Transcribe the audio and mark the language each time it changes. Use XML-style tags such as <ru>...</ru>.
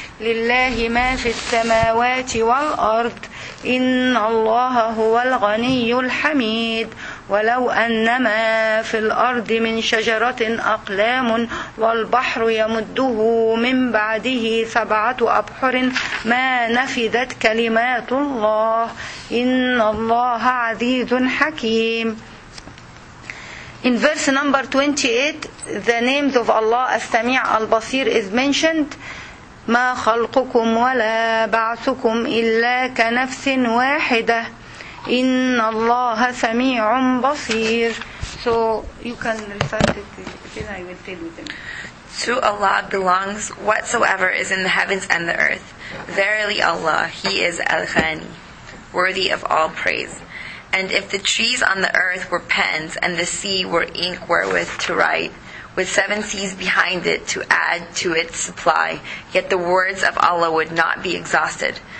<ar>لِلَّهِ مَا فِي السَّمَاوَاتِ وَالْأَرْضِ إِنَّ اللَّهَ هُوَ الْغَنِيُّ الْحَمِيدُ ولو أنما في الأرض من شجرة أقلام والبحر يمده من بعده سبعة أبحر ما نفدت كلمات الله إن الله عزيز حكيم.</ar> <en>In verse number 28, the names of Allah, As-Sami' Al-Basir, is mentioned.</en> <ar>ما خلقكم ولا بعثكم إلا كنفس واحدة إن الله سميع بصير.</ar> <en>So you can recite it, then I will tell you them. To Allah belongs whatsoever is in the heavens and the earth. Verily Allah, He is Al-Ghani, worthy of all praise. And if the trees on the earth were pens and the sea were ink wherewith to write, with seven seas behind it to add to its supply, yet the words of Allah would not be exhausted.</en>